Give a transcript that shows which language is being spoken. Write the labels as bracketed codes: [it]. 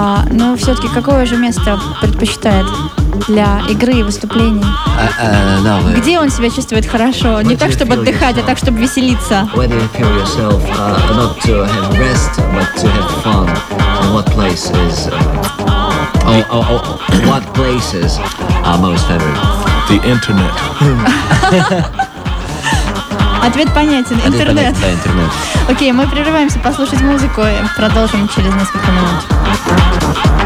[ru] Но все-таки какое же место предпочитает для игры и выступлений? Где он себя чувствует хорошо? [en] Where [ru] не так, чтобы отдыхать, а так, чтобы веселиться. [en] Where do you feel yourself not to have rest, but to have fun? And what places what places are most favorite? The internet. [ru] Ответ понятен. Интернет. Ответ понятен, да, интернет. Окей, мы прерываемся послушать музыку и продолжим через несколько минут.